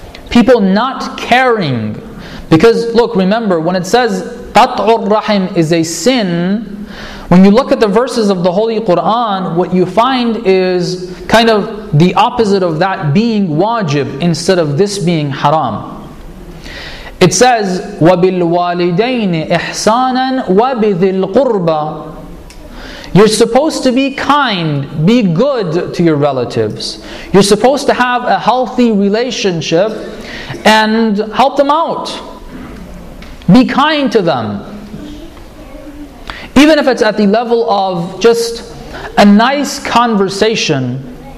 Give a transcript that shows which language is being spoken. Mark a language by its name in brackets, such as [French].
[English] People not caring. Because look, remember, when it says قَطْعُ الرَّحِمِ is a sin, when you look at the verses of the Holy Quran, what you find is kind of the opposite of that being wajib instead of this being haram. It says, [Arabic] وَبِالْوَالِدَيْنِ إِحْسَانًا وَبِذِي الْقُرْبَى. [English] You're supposed to be kind, be good to your relatives. You're supposed to have a healthy relationship and help them out. Be kind to them. Even if it's at the level of just a nice conversation.